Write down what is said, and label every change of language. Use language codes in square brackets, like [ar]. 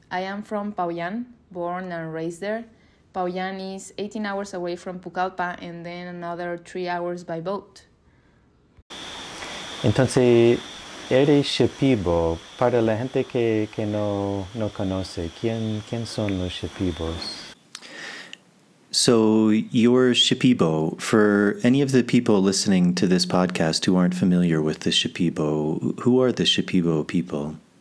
[en] I am from Paoyán, born and raised there. Paoyán is 18 hours away from Pucallpa and then another 3 hours by boat. [es] Entonces, eres Shipibo. Para la gente que no conoce, ¿quién son los Shipibos? [en] So, you're Shipibo. For any of the people listening to this podcast who aren't familiar with the Shipibo, who are the Shipibo people?